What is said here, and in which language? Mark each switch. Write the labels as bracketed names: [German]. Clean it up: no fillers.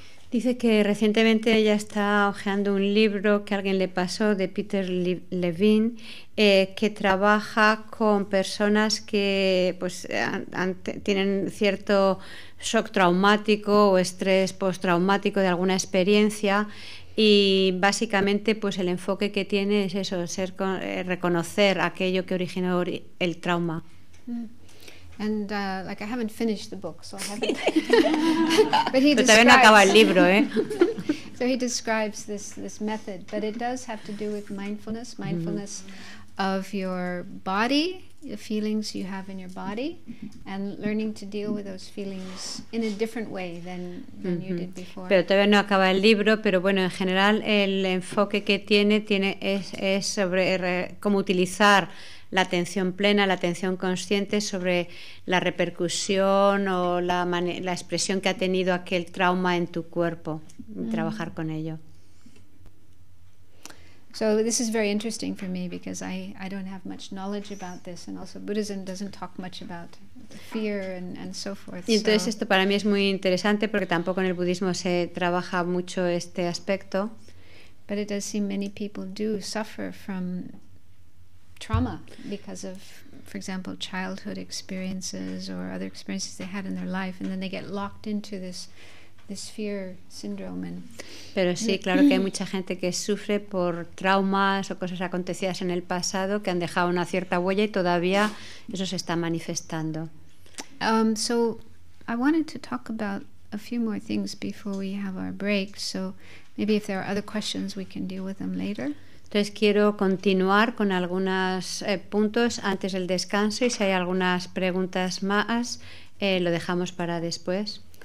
[Spanish] Dice que recientemente ella está hojeando un libro que alguien le pasó, de Peter Levine, que trabaja con personas que pues tienen cierto shock traumático o estrés postraumático de alguna experiencia, y básicamente pues el enfoque que tiene es eso, ser reconocer aquello que originó el trauma. Mm. [English] And like, I haven't finished the book, so I haven't. But he describes. [Spanish] Pero todavía no acaba el libro, ¿eh? [English] So he describes this method, but it does have to do with mindfulness mm-hmm. of your body, the feelings you have in your body, and learning to deal with those feelings in a different way than mm-hmm. you did before. [Spanish] Pero todavía no acaba el libro, pero bueno, en general el enfoque que tiene es sobre cómo utilizar la atención plena, la atención consciente sobre la repercusión o la expresión que ha tenido aquel trauma en tu cuerpo, y trabajar con ello. [English] So this is very interesting for me, because I don't have much knowledge about this, and also Buddhism doesn't talk much about fear and so forth. [Spanish] Y entonces esto para mí es muy interesante, porque tampoco en el budismo se trabaja mucho este aspecto. [English] But it does seem many people do suffer from trauma because of, for example, childhood experiences or other experiences they had in their life, and then they get locked into this fear syndrome. [Spanish] Pero sí, claro que hay mucha gente que sufre por traumas o cosas acontecidas en el pasado que han dejado una cierta huella, y todavía eso se está manifestando. [English] So I wanted to talk about a few more things before we have our break, so maybe if there are other questions we can deal with them later. [Spanish] Entonces quiero continuar con algunos puntos antes del descanso, y si hay algunas preguntas más, lo dejamos para después.